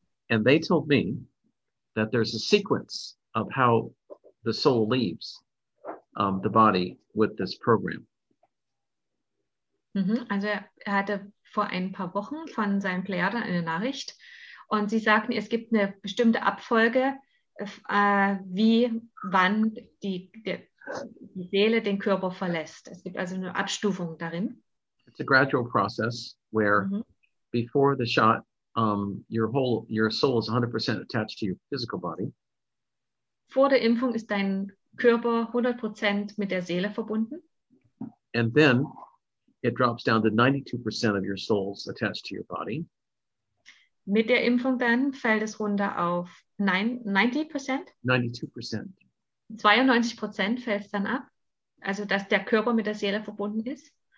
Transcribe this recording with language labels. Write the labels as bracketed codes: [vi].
[en] And they told me that there's a sequence of how the soul leaves the body with this program. Mm-hmm. [de] Also er hatte vor ein paar Wochen von seinen Pleiaden eine Nachricht und sie sagten, es gibt eine bestimmte Abfolge, wie wann die Seele den Körper verlässt. Es gibt also eine Abstufung darin. [en] It's a gradual process where mm-hmm. before the shot, your soul is 100% attached to your physical body. [de] Vor der Impfung ist dein Körper 100% mit der Seele verbunden. [en] And then it drops down to 92% of your soul's attached to your body. [de] Mit der Impfung dann fällt es runter auf 90%? 92%. 92% fällt es dann ab, also dass der Körper mit der Seele verbunden ist.